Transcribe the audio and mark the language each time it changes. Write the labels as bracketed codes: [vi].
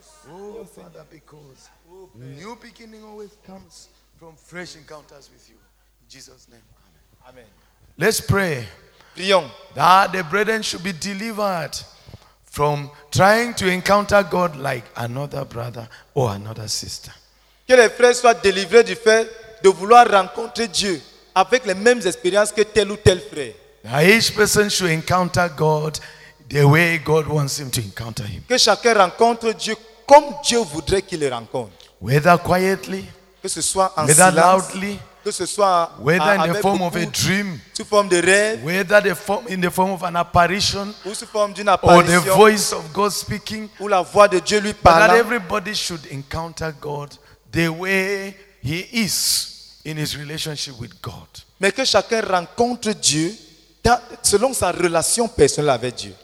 [en] Oh, Father, because new beginning always comes from fresh encounters with you. In Jesus' name, amen. Amen. Let's pray. [fr] Prions. [en] That the brethren should be delivered from trying to encounter God like another brother or another sister. [fr] Que les frères soient délivrés du fait de vouloir rencontrer Dieu avec les mêmes expériences que tel ou tel frère. [en] Now each person should encounter God the way God wants him to encounter him. [fr] Que chacun rencontre Dieu comme Dieu voudrait qu'il le rencontre. [en] Whether quietly, [fr] que ce soit en [en] whether [fr] silence, [en] loudly, [fr] que ce soit [en] whether [fr] avec [en] in the form of a dream, [fr] sous forme de rêve, [en] whether the form in the form of an apparition, [fr] ou sous forme d'une apparition, [en] or the voice of God speaking, [fr] ou la voix de Dieu lui parlant. [en] That everybody should encounter God the way he is in his relationship with God. [fr] Mais que chacun rencontre Dieu selon sa relation personnelle avec Dieu.